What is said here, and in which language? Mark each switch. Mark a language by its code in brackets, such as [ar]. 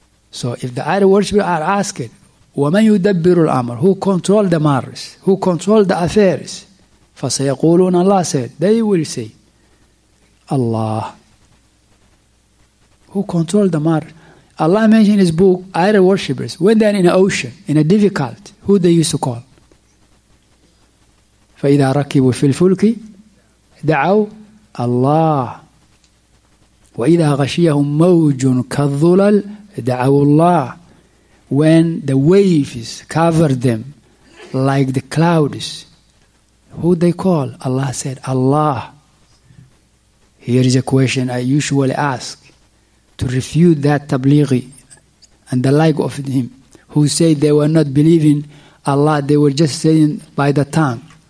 [en] So if the idol worshippers are asking [ar] ومن يدبر الأمر, [en] who control the matters, who control the affairs, [ar] فسيقولون الله, [en] said they will say Allah, who control the matter. Allah mentioned in his book idol worshippers when they're in the ocean in a difficult, who they used to call. [ar] فإذا ركبوا في الفلك دعوا الله وإذا غشيهم موج كالظلل دعوا الله. [en] When the waves cover them like the clouds, who they call? Allah said Allah. Here is a question I usually ask to refute that tablighi and the like of him who say they were not believing Allah, they were just saying by the tongue.